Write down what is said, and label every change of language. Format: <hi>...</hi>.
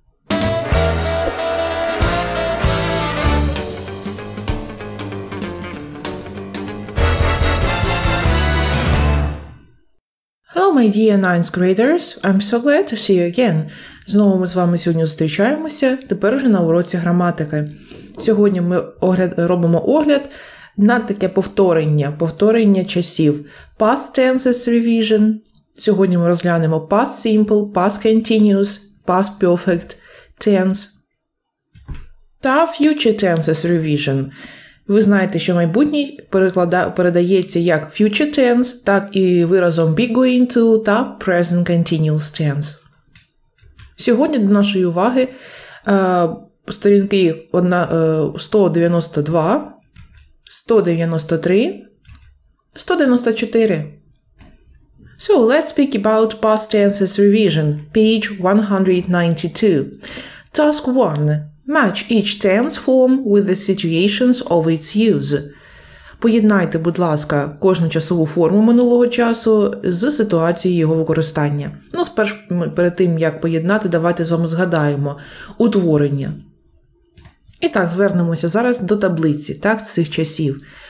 <en>Hello my dear 9th graders, I'm so glad to see you again.</en> <uk>Знову ми з вами сьогодні зустрічаємося, тепер уже на уроці граматики. Сьогодні ми робимо огляд на таке повторення часів.</uk> <en>Past tenses revision.</en> <uk>Сьогодні ми розглянемо</uk> <en>past simple, past continuous, past perfect tense.</en> <uk>Та future tenses revision. Ви знаєте, що майбутній передається як future tense, так і виразом be going to та present continuous tense. Сьогодні до нашої уваги сторінки 192, 193, 194.</uk> <en>So, let's speak about past tenses revision, page 192. Task 1. Match each tense form with the situations of its use.</en> <uk>Поєднайте, будь ласка, кожну часову форму минулого часу з ситуацією його використання. Ну, спершу, перед тим, як поєднати, давайте з вами згадаємо утворення. І так, звернемося зараз до таблиці, так, цих часів.</uk>